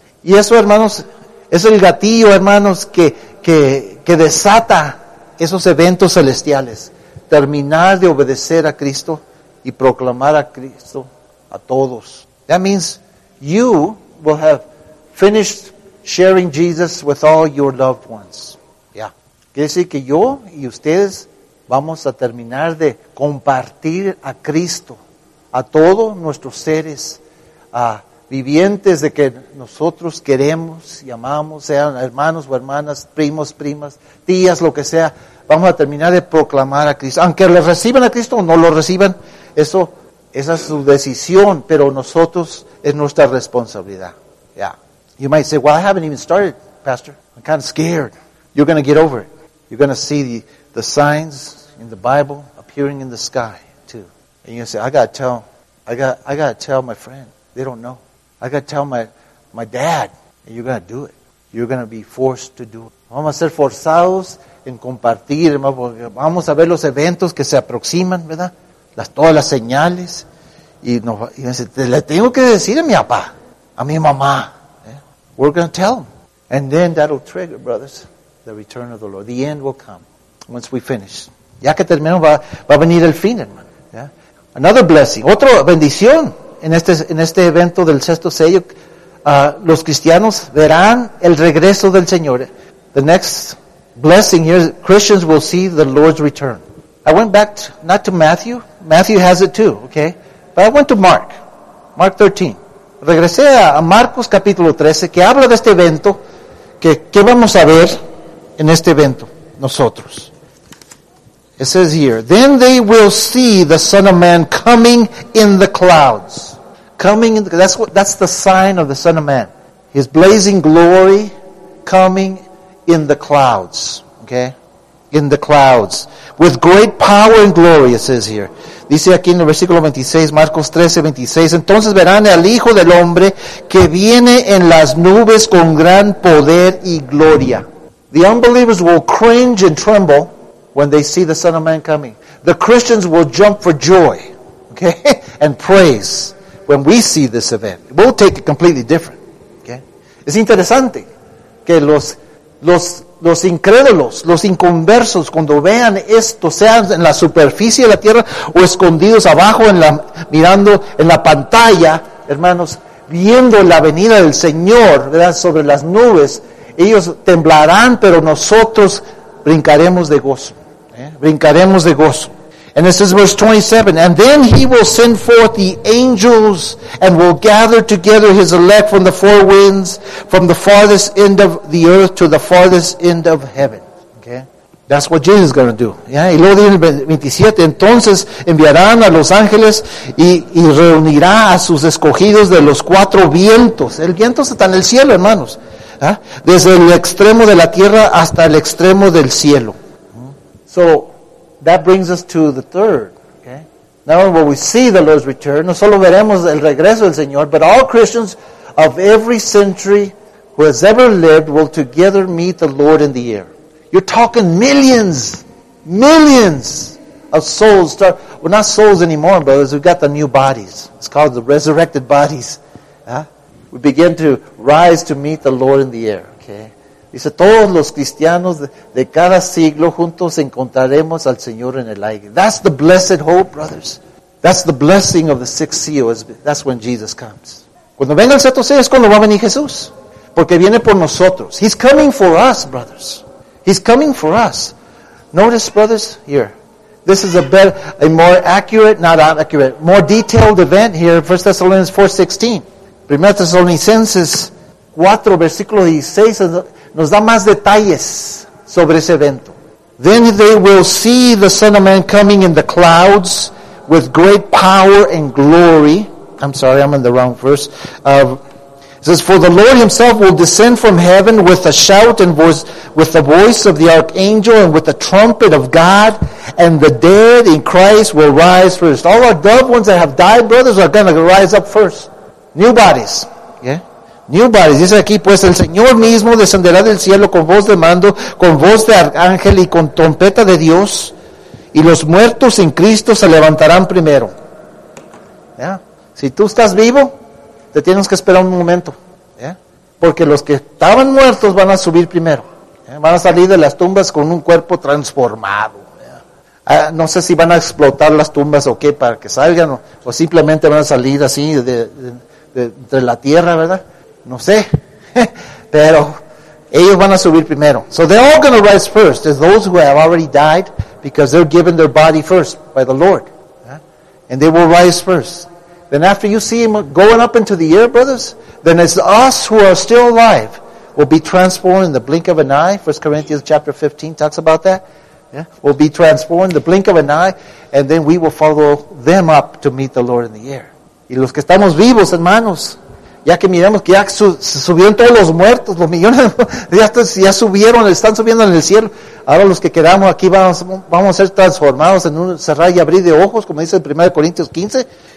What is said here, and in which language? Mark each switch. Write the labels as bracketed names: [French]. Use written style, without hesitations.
[Spanish] Y eso, hermanos, es el gatillo, hermanos, que desata esos eventos celestiales. Terminar de obedecer a Cristo y proclamar a Cristo a todos. [English] That means you will have finished sharing Jesus with all your loved ones. Yeah. [Spanish] Quiere decir que yo y ustedes vamos a terminar de compartir a Cristo a todos nuestros seres vivientes de que nosotros queremos y amamos, sean hermanos o hermanas, primos, primas, tías, lo que sea. Vamos a terminar de proclamar a Cristo. Aunque lo reciban a Cristo o no lo reciban, esa es su decisión, pero nosotros es nuestra responsabilidad. [English] Yeah. You might say, well, I haven't even started, Pastor. I'm kind of scared. You're going to get over it. You're going to see the signs in the Bible appearing in the sky, too. And you say, I got to tell my friend. They don't know. I got to tell my dad. And you're going to do it. You're going to be forced to do it. [Spanish] Vamos a ser forzados en compartir. Vamos a ver los eventos que se aproximan, ¿verdad? Todas las señales. Y dice, te le tengo que decir a mi papá, a mi mamá. [English] We're going to tell them. And then that will trigger, brothers, the return of the Lord. The end will come once we finish. [Spanish] Ya que terminamos, va a venir el fin, hermano. [English] Yeah. Another blessing. [Spanish] Otra bendición en este evento del sexto sello. Los cristianos verán el regreso del Señor. [English] The next blessing here, Christians will see the Lord's return. I went back, not to Matthew. Matthew has it too, okay? But I went to Mark 13. [Spanish] Regresé a Marcos capítulo 13, que habla de este evento, que vamos a ver en este evento, nosotros. [English] It says here, then they will see the Son of Man coming in the clouds. Coming in the clouds, that's the sign of the Son of Man. His blazing glory coming in the clouds, okay? In the clouds, with great power and glory, it says here. [Spanish] Dice aquí en el versículo 26, Marcos 13:26. Entonces verán al Hijo del Hombre que viene en las nubes con gran poder y gloria. [English] The unbelievers will cringe and tremble when they see the Son of Man coming. The Christians will jump for joy, okay, and praise when we see this event. We'll take it completely different, okay? [Spanish] Es interesante que los incrédulos, los inconversos, cuando vean esto, sean en la superficie de la tierra o escondidos abajo mirando en la pantalla, hermanos, viendo la venida del Señor, ¿verdad?, sobre las nubes, ellos temblarán, pero nosotros brincaremos de gozo. [English] Brincaremos de gozo. And this is verse 27. And then he will send forth the angels and will gather together his elect from the four winds, from the farthest end of the earth to the farthest end of heaven. Okay? That's what Jesus is going to do. [Spanish] Yeah? Y luego dice en 27, entonces enviarán a los ángeles y reunirá a sus escogidos de los cuatro vientos. El viento está en el cielo, hermanos. ¿Ah? Desde el extremo de la tierra hasta el extremo del cielo. [English] So, that brings us to the third. Okay. Now, when we see the Lord's return, no solo veremos el regreso del Señor, but all Christians of every century who has ever lived will together meet the Lord in the air. You're talking millions of souls. Well, not souls anymore, but we've got the new bodies. It's called the resurrected bodies. Huh? We begin to rise to meet the Lord in the air. Okay. [Spanish] Dice, todos los cristianos de cada siglo juntos encontraremos al Señor en el aire. [English] That's the blessed hope, brothers. That's the blessing of the sixth seal. That's when Jesus comes. [Spanish] Cuando venga el sexto sello es cuando va a venir Jesús. Porque viene por nosotros. [English] He's coming for us, brothers. He's coming for us. Notice, brothers, here. This is more detailed event here in 1 Thessalonians 4:16. [Spanish] 1 Thessalonians 4, versículo 16, nos da más detalles sobre ese evento. [English] Then they will see the Son of Man coming in the clouds with great power and glory. I'm sorry, I'm in the wrong verse. It says, for the Lord himself will descend from heaven with a shout and voice, with the voice of the archangel and with the trumpet of God, and the dead in Christ will rise first. All our dead ones that have died, brothers, are going to rise up first. New bodies. Yeah. New bodies. [Spanish] Dice aquí, pues el Señor mismo descenderá del cielo con voz de mando, con voz de arcángel y con trompeta de Dios, y los muertos en Cristo se levantarán primero. [English] Yeah. [Spanish] Si tú estás vivo, te tienes que esperar un momento. [English] Yeah. [Spanish] Porque los que estaban muertos van a subir primero. Yeah. Van a salir de las tumbas con un cuerpo transformado. [English] Yeah. [Spanish] No sé si van a explotar las tumbas o qué para que salgan, o simplemente van a salir así de la tierra, ¿verdad? No sé, pero ellos van a subir primero. [English] So they're all going to rise first. There's those who have already died because they're given their body first by the Lord. And they will rise first. Then after you see him going up into the air, brothers, then it's us who are still alive will be transformed in the blink of an eye. 1 Corinthians chapter 15 talks about that. Yeah. We'll be transformed in the blink of an eye, and then we will follow them up to meet the Lord in the air. [Spanish] Y los que estamos vivos, hermanos, ya que miramos que ya subieron todos los muertos, los millones, ya subieron, están subiendo en el cielo. Ahora los que quedamos aquí vamos a ser transformados en un cerrar y abrir de ojos, como dice en 1 Corintios 15.